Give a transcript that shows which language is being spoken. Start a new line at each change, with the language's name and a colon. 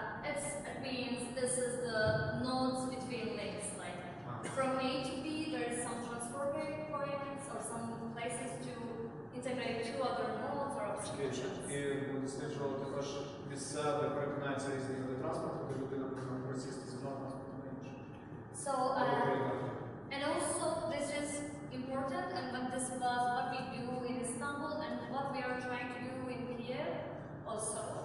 English: It means this is the nodes between links, like from A to B there is some transport points or some places to integrate two other nodes or options.
Ukrainian: І це також місця, де перетинаються різні види транспорту, де людина може пересісти з одного транспорту на інше.
English: So and also this is important, and when this was what we do in Istanbul and what we are trying to do in Kiev also.